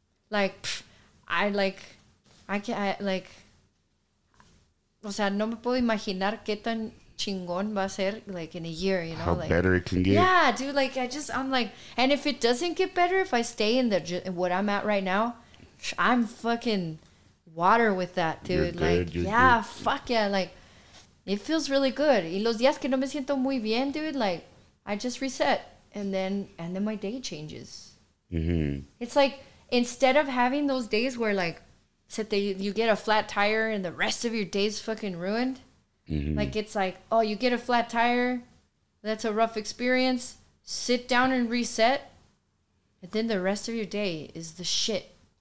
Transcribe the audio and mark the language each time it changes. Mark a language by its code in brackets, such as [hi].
[es] No me puedo imaginar qué tan chingón va a ser, [en] like, in a year, you know? How, like, better it can get. Yeah, dude, like, I'm like, and if it doesn't get better, if I stay in what I'm at right now, I'm fucking water with that, dude. You're good, like, you're yeah, good. Fuck yeah, like, it feels really good. [es] Y los días que no me siento muy bien, [en] dude, like, I just reset. And then my day changes. It's like, instead of having those days where, like, you get a flat tire and the rest of your day's fucking ruined. Like, it's like, oh, you get a flat tire. That's a rough experience. Sit down and reset. And then the rest of your day is the shit.